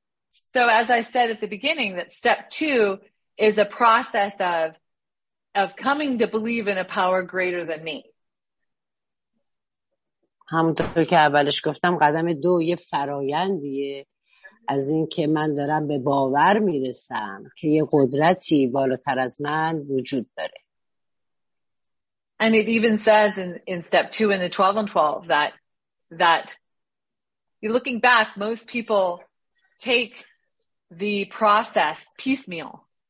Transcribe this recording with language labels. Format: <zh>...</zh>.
<en>So as I said at the beginning that step 2 is a process of coming to believe in a power greater than me.</en> <fa>همونطور که اولش گفتم قدم 2 یه فرایندیه از این که من دارم به باور میرسم که یه قدرتی بالاتر از من وجود داره.</fa> <en>And it even says in step 2 in the 12 and 12 that you're looking back, most people take the process piecemeal.</en>